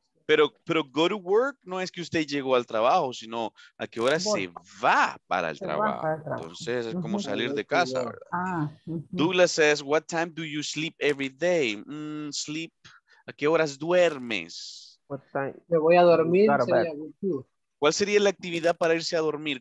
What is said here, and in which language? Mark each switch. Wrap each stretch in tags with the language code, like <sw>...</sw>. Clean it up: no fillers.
<es>Pero</es> <en>go to work</en> <es>no es que usted llegó al trabajo, sino a qué hora se va para el trabajo. Entonces es como salir de casa, ¿verdad? Ah, uh-huh.</es> <en>Douglas says, what time do you sleep every day?</en> <es>Sleep. ¿A qué horas duermes?</es> <en>What time?</en> <es>Me voy a dormir. Sería a ¿cuál sería la actividad para irse a dormir?</es>